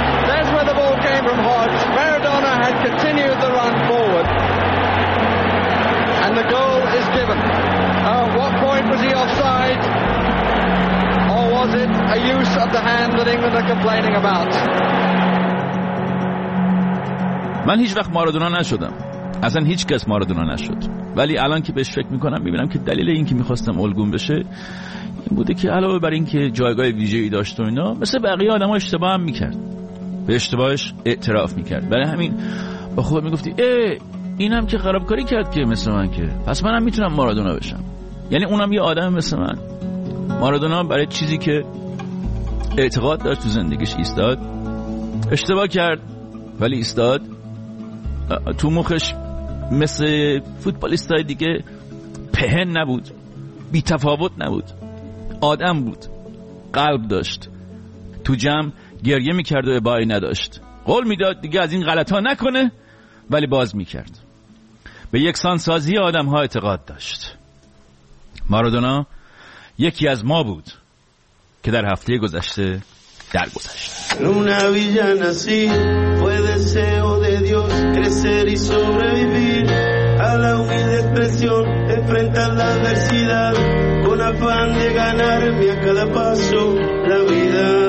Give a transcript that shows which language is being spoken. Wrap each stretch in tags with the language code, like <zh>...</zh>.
<en>That's where the ball came from Hodge. Maradona had continued the run forward. And the goal is given. At what point was he offside? Was it a use of the hand that England are complaining about?</en> <fa>من هیچ وقت مارادونا نشدم. اصلا هیچ کس مارادونا نشد. ولی الان که بهش فکر میکنم میبینم که دلیل این که میخواستم الگون بشه این بوده که علاوه بر این که جایگاه ویژه‌ای داشت و اینا، مثل بقیه آدم‌ها اشتباه هم میکرد، به اشتباهش اعتراف میکرد. برای همین با خودم میگفتی ای اینم که خرابکاری کرد که مثل من، که پس منم میتونم مارادونا بشم، یعنی اونم یه آدم مثل من. مارادونا برای چیزی که اعتقاد داشت تو زندگیش ایستاد، اشتباه کرد ولی ایستاد. تو مخش مثل فوتبالیستای دیگه پهن نبود، بی تفاوت نبود، آدم بود، قلب داشت. تو جمع گریه میکرد و ابایی نداشت، قول میداد دیگه از این غلط ها نکنه ولی باز میکرد. به یکسانسازی آدم ها اعتقاد داشت. مارادونا یکی از ما بود که در هفته گذشته درگذشت.</fa> <es>Luna Villa nací, fue deseo de Dios crecer y sobrevivir a la humilde expresión, enfrentar la adversidad con afán de ganarme a cada paso la vida.</es>